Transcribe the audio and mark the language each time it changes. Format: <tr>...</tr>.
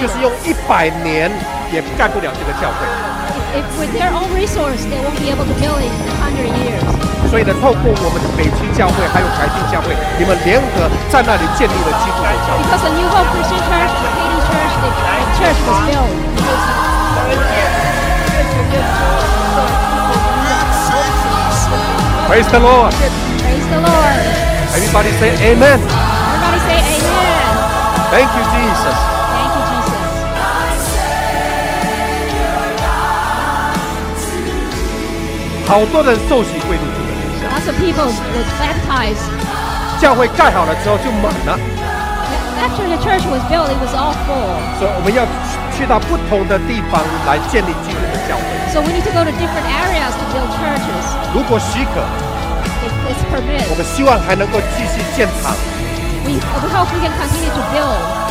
<zh>就是用一百年也干不了这个教会。</zh> <en>If with their own resource, they won't be able to build it in 100 years.</en> <zh>所以呢，透过我们的北区教会还有台中教会，你们联合在那里建立了基督教。</zh> <en>Because the New Hope Christian Church, the Katy Church, the church was built. Praise the Lord. Praise the Lord. Everybody say amen. Everybody say amen. Thank you, Jesus. Thank you, Jesus.</en> <zh>好多人受洗归入主的名下。</zh> <en>Lots of people was baptized.</en> <zh>教会盖好了之后就满了。</zh> <en>After the church was built, it was all full.</en> <zh>所以我们要去到不同的地方来建立基督的教会。</zh> <en>So we need to go to different areas to build churches.</en> <zh>如果许可。</zh> <en>It's permitted.</en> <zh>我们希望还能够继续建堂。</zh> <en>We hope we can continue to build.</en>